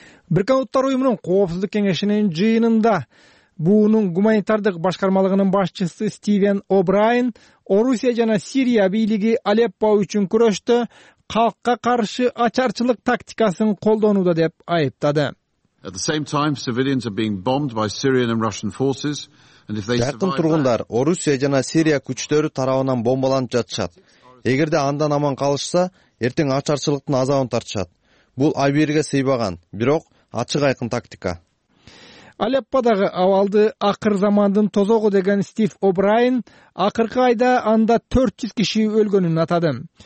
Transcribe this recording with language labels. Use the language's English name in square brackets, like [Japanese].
[Kyrgyz] Биркен Улуттар Уюмунун коопсуздук кеңешинин жыйынында буунун гуманитардык башкармалыгынын башчысы Стивен О'Брайен Орусия жана Сирия бийлиги Алеппо үчүн күрөштө калкка каршы ачарчылык тактикасын колдонууда деп айыптады. [English] At the same time, civilians are being bombed by Syrian and Russian forces, and if they survive, [Kyrgyz] жакын тургундар Орусия жана Сирия күчтөрү тарабынан бомбаланып жатышат. Эгерде андан аман калышса, эртең ачарчылыктын азабын тартышат. Бул абийирге сыйбаган, бирок ачык айкын тактика. Алеппадагы абалды акыр замандын тозогу деген Стив О'Брайен акыркы айда анда 400 киши өлгөнүн атады.